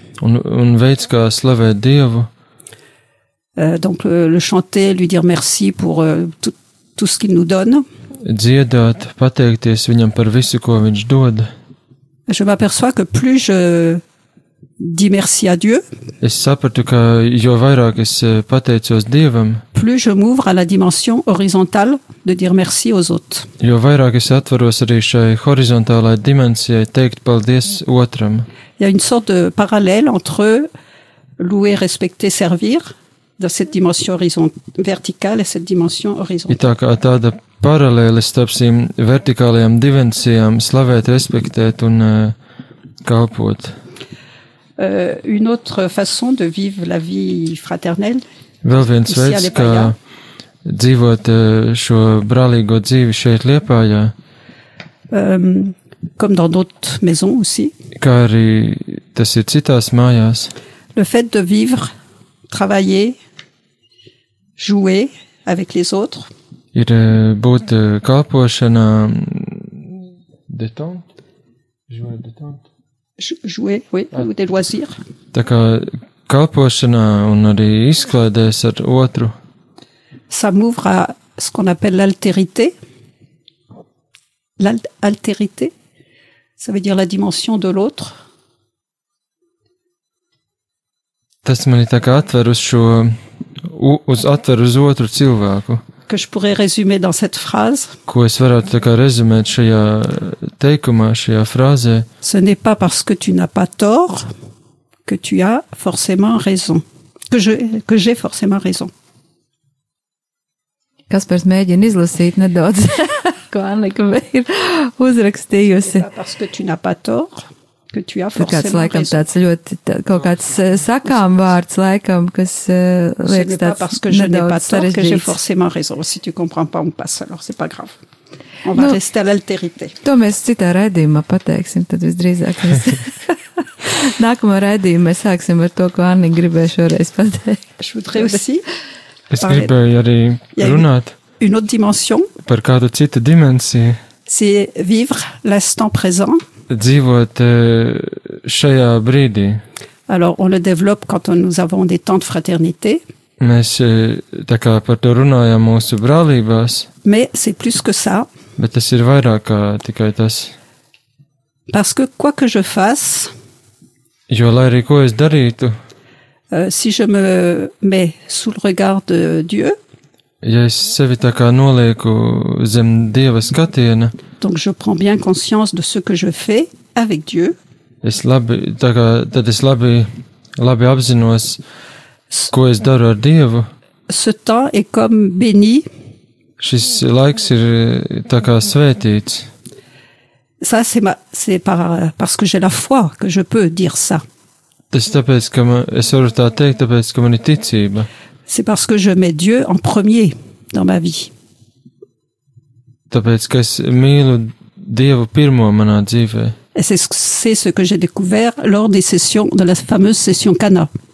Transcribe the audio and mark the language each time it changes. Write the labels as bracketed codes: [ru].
[lv] Un veids, kā slavēt Dievu. [fr] Donc le chanter, lui dire merci pour tout ce qu'il nous donne. [lv] Dziedāt, pateikties viņam par visu, ko viņš dod. [fr] Je m'aperçois que plus je dis merci à Dieu. [lv] Es sapratu, ka jo vairāk es pateicos Dievam. [fr] Plus je m'ouvre à la dimension horizontale de dire merci aux autres. [lv] Jo vairāk es atvaros arī šai horizontālai dimensijai teikt paldies otram. [fr] Il y a une sorte de parallèle entre louer, respecter, servir dans cette dimension verticale et cette dimension horizontale. [lv] Tā kā tāda paralēle starp šīm vertikālajām dimensijām slavēt, respektēt un kalpot. [fr] Une autre façon de vivre la vie fraternelle. [lv] Vēl viens veids, kā dzīvot šo brālīgo dzīvi šeit Liepājā. [fr] Comme dans d'autres maisons aussi. [lv] Kā arī tas ir citās mājās. [fr] Le fait de vivre, travailler, jouer avec les autres. [lv] Ir būt kalpošanā [fr] des loisirs. [lv] Tā kā kalpošanā un arī izklaidēs ar otru. [fr] Ça m'ouvre à ce qu'on appelle l'altérité. L'altérité, ça veut dire la dimension de l'autre. [lv] Tas mani tā kā atver uz šo, atver uz otru cilvēku. [fr] Que je pourrais résumer dans cette phrase. [lv] Ko es varētu tā kā rezumēt šajā teikumā, šajā frāzē. [fr] Ce n'est pas parce que tu n'as pas tort que tu as forcément raison. Que j'ai forcément raison. [lv] Kaspers mēģina izlasīt nedaudz, ko Annika ir uzrakstījusi. [fr] C'est pas parce que tu n'as pas tort que tu as forcément raison. [lv] Laikam tāds ļoti, kaut kāds sakām vārds, laikam, kas liekas tāds nedaudz sarežģīts. [fr] Ce n'est pas parce que je n'ai pas tort que j'ai forcément raison. Si tu comprends pas, on passe, alors c'est pas grave. On va rester à l'altérité. [lv] To mēs citā raidījumā pateiksim, tad visdrīzāk mēs... Nākamā raidījumā mēs sāksim ar to, ko Annika gribēja šoreiz pateikt. [fr] Je voudrais aussi... [lv] Es gribēju arī runāt [fr] une autre dimension. [lv] Par kādu citu dimensiju. [fr] C'est vivre l'instant présent. [lv] Dzīvot šajā brīdī. [fr] Alors, on le développe quand nous avons des temps de fraternité. [lv] Mēs tā kā par to runājam mūsu brālībās. [fr] Mais c'est plus que ça. [lv] Bet tas ir vairāk kā tikai tas. [fr] Parce que quoi que je fasse. [lv] Jo, lai arī ko es darītu. [fr] Si je me mets sous le regard de Dieu. [lv] Ja es sevi tā kā nolieku zem Dieva skatiena. [fr] Donc je prends bien conscience de ce que je fais avec Dieu. [lv] Es labi, tā kā, tad es labi apzinos, ko es daru ar Dievu. [fr] Ce temps est comme béni. [lv] Šis laiks ir tā kā svētīts. [fr] Ça c'est parce que j'ai la foi que je peux dire ça. [lv] Tas tāpēc, ka man, es varu tā teikt, tāpēc, ka man ir ticība. [fr] C'est parce que je mets Dieu en premier dans ma vie. [lv] Tāpēc, ka es mīlu Dievu pirmo manā dzīvē. [fr] Et c'est ce que j'ai découvert lors des sessions, de la fameuse session Cana.